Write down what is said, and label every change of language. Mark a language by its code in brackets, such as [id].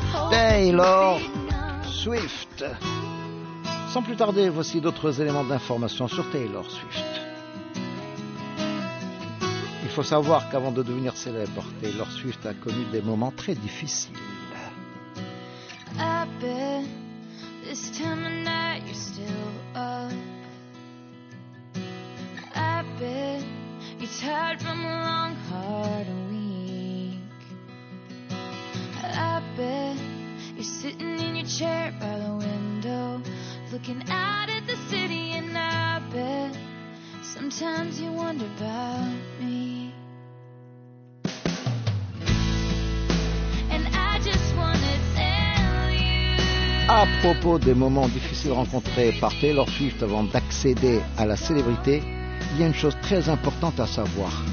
[fr] Taylor Swift. Sans plus tarder, voici d'autres éléments d'information sur Taylor Swift. Il faut savoir qu'avant de devenir célèbre, Taylor Swift a connu des moments très difficiles. [en] I bet this time of night you're still up. I bet you're tired from a long hard week. I bet you're sitting in your chair by the window. Looking out at the city and I bet sometimes you wonder about me. And I just wanna tell you. [fr] À propos des moments difficiles rencontrés par Taylor Swift avant d'accéder à la célébrité, il y a une chose très importante à savoir.